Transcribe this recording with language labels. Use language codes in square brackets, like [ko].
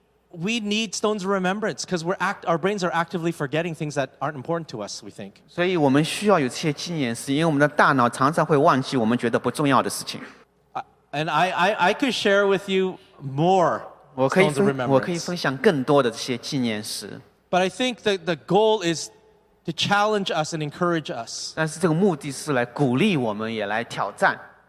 [en] We need stones of remembrance because our brains are actively forgetting things that aren't important to us, we think. [zh] 所以我们需要有这些纪念石，因为我们的大脑常常会忘记我们觉得不重要的事情。 [en] And I could share with you more stones of remembrance. [zh] 我可以分享更多的这些纪念石。 [en] But I think that the goal is to challenge us and encourage us. [zh] 但是这个目的是来鼓励我们，也来挑战。